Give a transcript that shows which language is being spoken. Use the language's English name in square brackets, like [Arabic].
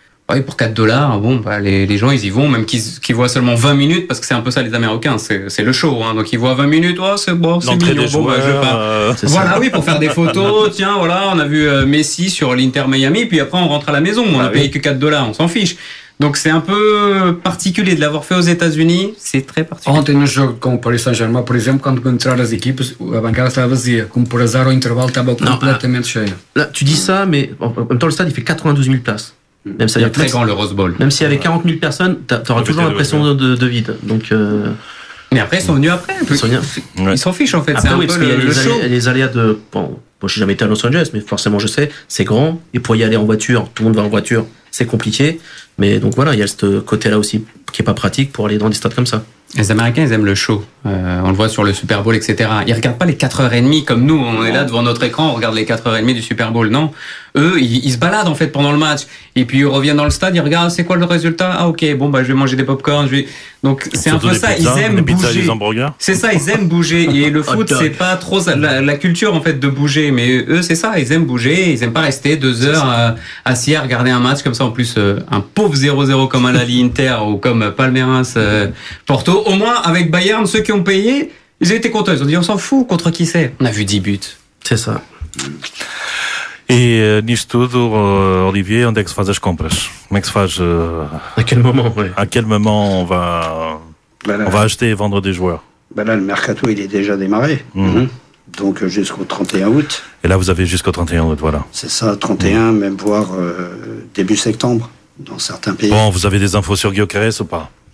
[French] Oui, pour 4 dollars, bon, bah, les gens, ils y vont, même qu'ils voient seulement 20 minutes, parce que c'est un peu ça, les Américains, c'est le show, hein. Donc, ils voient 20 minutes, oh, c'est bon, c'est l'entrée mignon, des joueurs, bon, bah, je veux pas. Voilà, ça. Oui, pour faire des photos, tiens, voilà, on a vu Messi sur l'Inter Miami, puis après, on rentre à la maison, on a payé que 4 dollars, on s'en fiche. Donc, c'est un peu particulier de l'avoir fait aux États-Unis, c'est très particulier. [Portuguese] Ontem, no jogo com o Paris Saint-Germain, por exemplo, quando entraram as equipes, a bancada estava vazia. Como por azar, o intervalo estava completamente cheio. [French] Là, tu dis ça, mais en même temps, le stade, il fait 92 000 places. Même ça, il y a très grand le Rose Bowl. Même s'il y avait 40 000 personnes, t'auras toujours l'impression de vide. Donc, Mais après, ils sont venus après. Ils s'en fichent en fait. Après, c'est oui, un peu le les show. Les aléas de. Bon, moi, j'ai jamais été à Los Angeles, mais forcément, je sais, c'est grand. Et pour y aller en voiture, tout le monde va en voiture, c'est compliqué. Mais donc voilà, il y a ce côté-là aussi qui n'est pas pratique pour aller dans des stades comme ça. Les Américains, ils aiment le show. On le voit sur le Super Bowl, etc. Ils ne regardent pas les 4h30 comme nous. On est là devant notre écran, on regarde les 4h30 du Super Bowl, non. Eux, ils se baladent en fait pendant le match. Et puis, ils reviennent dans le stade, ils regardent, c'est quoi le résultat? Ah ok, bon, bah, je vais manger des pop-corns. Je vais... Donc, c'est un peu ça, pizzas, ils aiment pizzas, bouger. Des hamburgers. C'est ça, ils aiment bouger. Et le foot, okay. C'est pas trop ça. La culture en fait de bouger. Mais eux, c'est ça, ils aiment bouger. Ils n'aiment pas rester deux heures assis à regarder un match comme ça. En plus, un pauvre 0-0 comme Al Ahly Inter ou comme Palmeiras Porto. Au moins, avec Bayern, ceux qui ont payé, ils étaient contents. Ils ont dit, on s'en fout, contre qui c'est? On a vu 10 buts. C'est ça. [Portuguese] Et nisto tudo, Olivier, onde é que se faz as compras? Como é que se faz? [French] À quel moment, oui. À quel moment on va, ben là, on va acheter et vendre des joueurs? Ben là, le mercato, il est déjà démarré. Mm-hmm. Donc jusqu'au 31 août. Et là, vous avez jusqu'au 31 août, voilà. C'est ça, 31, même voire début septembre, dans certains pays. Bon, vous avez des infos sur Gyökeres ou pas?